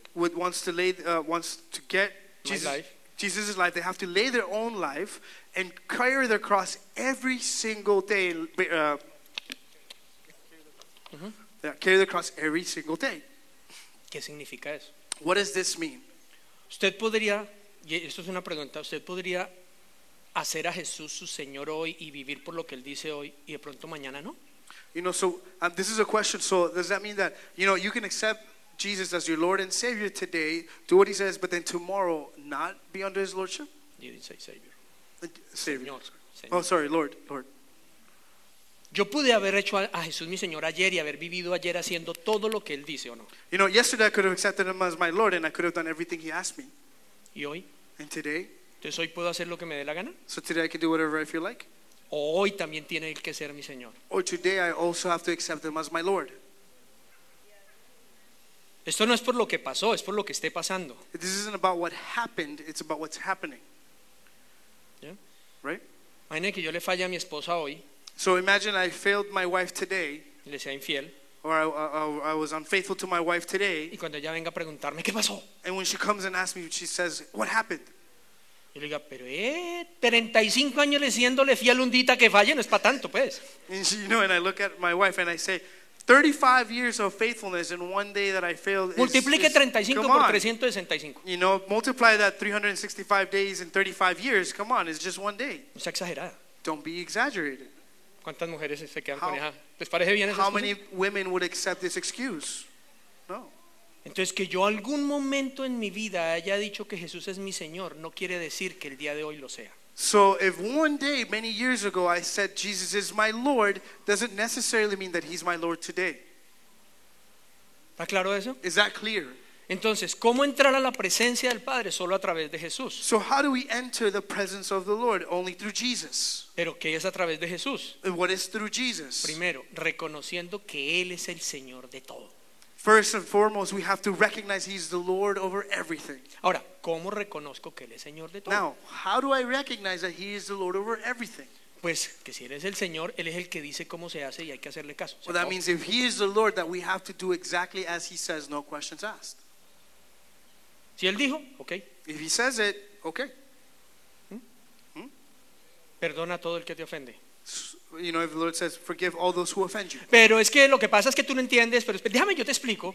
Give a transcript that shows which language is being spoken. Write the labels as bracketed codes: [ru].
[en] would wants to lay wants to get Jesus, my life, Jesus' life, they have to lay their own life and carry their cross every single day. Carry the cross every single day. [es] ¿Qué significa eso? [en] What does this mean? [es] Usted podría, y esto es una pregunta, usted podría hacer a Jesús su Señor hoy y vivir por lo que Él dice hoy y de pronto mañana no? [en] You know, so this is a question. So does that mean that, you know, you can accept Jesus as your Lord and Savior today, do what he says, but then tomorrow not be under his lordship? You didn't say Savior. Savior. Señor. Oh, sorry, Lord. [es] Yo pude haber hecho a Jesús mi Señor ayer y haber vivido ayer haciendo todo lo que él dice, ¿o no? [en] You know, yesterday I could have accepted him as my Lord and I could have done everything he asked me. [es] ¿Y hoy? [en] And today? [es] Entonces hoy puedo hacer lo que me dé la gana. [en] So today I can do whatever I feel like. [es] O hoy también tiene que ser mi Señor. [en] Or today I also have to accept him as my Lord. [es] Esto no es por lo que pasó, es por lo que esté pasando. [en] This isn't about what happened, it's about what's happening. Yeah. Right? [es] Imagine que yo le falle a mi esposa hoy. [en] So imagine I failed my wife today. [es] Le sea infiel. [en] Or I was unfaithful to my wife today. [es] Y cuando ella venga a preguntarme qué pasó. [en] And when she comes and asks me, she says, "What happened?" [es] Y le diga, pero 35 años le siéndole fiel undita que falle, no es para tanto, pues. [en] And she, you know, and I look at my wife and I say, 35 years of faithfulness in one day that I failed. [es] Multiplique 35 [en] come on, [es] por 365. [en] You know, multiply that 365 days in 35 years. Come on, it's just one day. [es] No sea exagerada. [en] Don't be exaggerated. [es] ¿Cuántas mujeres se quedan con esa? ¿Les parece bien esa excusa? [en] How many women would accept this excuse? [es] No. Entonces que yo algún momento en mi vida haya dicho que Jesús es mi Señor no quiere decir que el día de hoy lo sea. [en] So if one day, many years ago, I said Jesus is my Lord, doesn't necessarily mean that he's my Lord today. [es] ¿Está claro eso? [en] Is that clear? [es] Entonces, ¿cómo entrar a la presencia del Padre? Solo a través de Jesús. [en] So how do we enter the presence of the Lord? Only through Jesus. [es] ¿Pero qué es a través de Jesús? [en] And what is through Jesus? [es] Primero, reconociendo que Él es el Señor de todo. [en] First and foremost, we have to recognize he's the Lord over everything. [es] Ahora, ¿cómo reconozco que él es Señor de todo? [en] Now, how do I recognize that he is the Lord over everything? [es] Pues que si él es el Señor, él es el que dice cómo se hace y hay que hacerle caso. [en] Well, that means if he is the Lord, that we have to do exactly as he says, no questions asked. [es] Si él dijo, okay. [en] If he says it, okay. [es] Perdona todo el que te ofende. [en] You know, if the Lord says, forgive all those who offend you. [es] Pero es que lo que pasa es que tú no entiendes, pero déjame yo te explico.